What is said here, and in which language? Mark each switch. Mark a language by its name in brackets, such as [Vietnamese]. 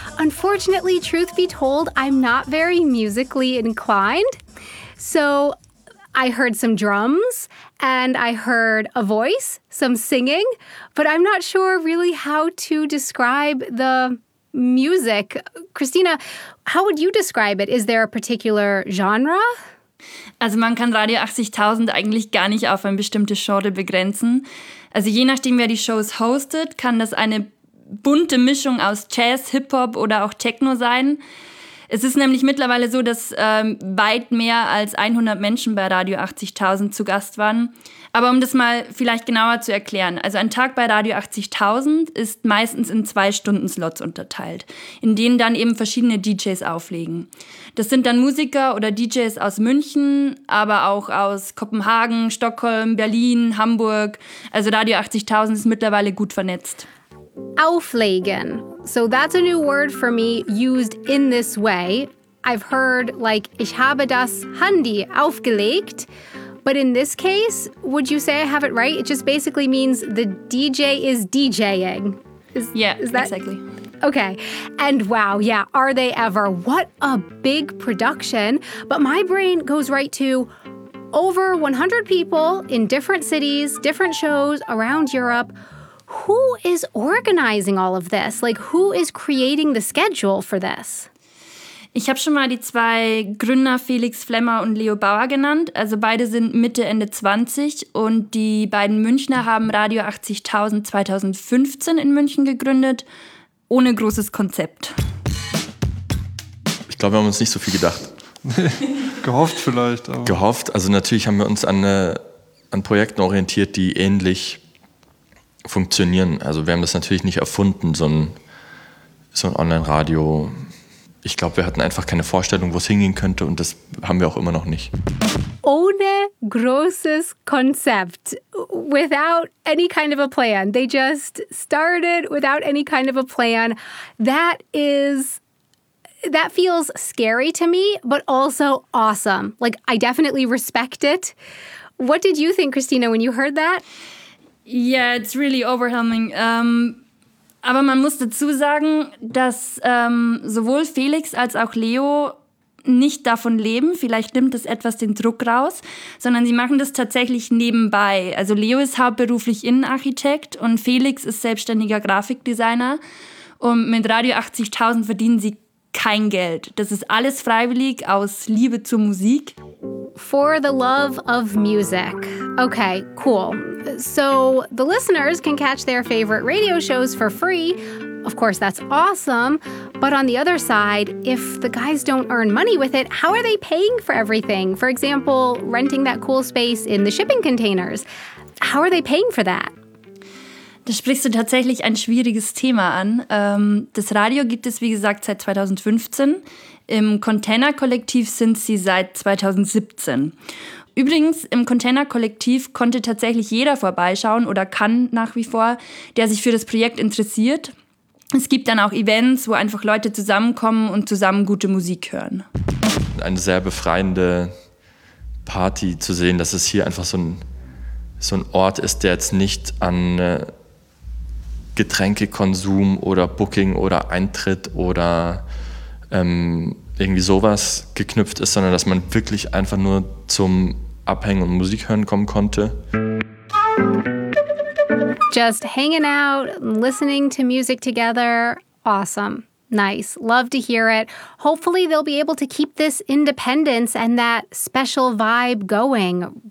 [English] Unfortunately, truth be told, I'm not very musically inclined. So I heard some drums and I heard a voice, some singing, but I'm not sure really how to describe the music. Christina, how would you describe it? Is there a particular genre? [German] Also man kann Radio 80.000 eigentlich gar nicht auf ein bestimmtes Genre begrenzen. Also je nachdem, wer die Shows hostet, kann das eine bunte Mischung aus Jazz, Hip-Hop oder auch Techno sein. Es ist nämlich mittlerweile so, dass weit mehr als 100 Menschen bei Radio 80.000 zu Gast waren. Aber um das mal vielleicht genauer zu erklären. Also ein Tag bei Radio 80.000 ist meistens in 2-Stunden-Slots unterteilt, in denen dann eben verschiedene DJs auflegen. Das sind dann Musiker oder DJs aus München, aber auch aus Kopenhagen, Stockholm, Berlin, Hamburg. Also Radio 80.000 ist mittlerweile gut vernetzt. Auflegen. [English] So that's a new word for me used in this way. I've heard like, [German] ich habe das Handy aufgelegt. [English] But in this case, would you say I have it right? It just basically means the DJ is DJing. Exactly. Okay. And wow, yeah, are they ever? What a big production. But my brain goes right to over 100 people in different cities, different shows around Europe. Who is organizing all of this? Like, who is creating the schedule for this? [German] Ich habe schon mal die zwei Gründer Felix Flemmer und Leo Bauer genannt. Also beide sind Mitte, Ende 20 und die beiden Münchner haben Radio 80.000 2015 in München gegründet, ohne großes Konzept. Ich glaube, wir haben uns nicht so viel gedacht. Gehofft vielleicht. Aber. Gehofft. Also natürlich haben wir uns an Projekten orientiert, die ähnlich funktionieren. Also wir haben das natürlich nicht erfunden, so ein Online-Radio ich glaube, wir hatten einfach keine Vorstellung, wo es hingehen könnte und das haben wir auch immer noch nicht. Ohne großes Konzept, [English] without any kind of a plan. They just started without any kind of a plan. That feels scary to me, but also awesome. Like, I definitely respect it. What did you think, Christina, when you heard that? Yeah, it's really overwhelming. [German] Aber man muss dazu sagen, dass sowohl Felix als auch Leo nicht davon leben. Vielleicht nimmt das etwas den Druck raus, sondern sie machen das tatsächlich nebenbei. Also Leo ist hauptberuflich Innenarchitekt und Felix ist selbstständiger Grafikdesigner. Und mit Radio 80.000 verdienen sie kein Geld. Das ist alles freiwillig aus Liebe zur Musik. [English] For the love of music. Okay, cool. So the listeners can catch their favorite radio shows for free. Of course, that's awesome. But on the other side, if the guys don't earn money with it, how are they paying for everything? For example, renting that cool space in the shipping containers. How are they paying for that? [German] Da sprichst du tatsächlich ein schwieriges Thema an. Das Radio gibt es, wie gesagt, seit 2015. Im Container-Kollektiv sind sie seit 2017. Übrigens, im Container-Kollektiv konnte tatsächlich jeder vorbeischauen oder kann nach wie vor, der sich für das Projekt interessiert. Es gibt dann auch Events, wo einfach Leute zusammenkommen und zusammen gute Musik hören. Eine sehr befreiende Party zu sehen, dass es hier einfach so ein Ort ist, der jetzt nicht an Getränkekonsum oder Booking oder Eintritt oder irgendwie sowas geknüpft ist, sondern dass man wirklich einfach nur zum Abhängen und Musik hören kommen konnte. [English] Just hanging out, listening to music together, awesome. Nice. Love to hear it. Hopefully they'll be able to keep this independence and that special vibe going.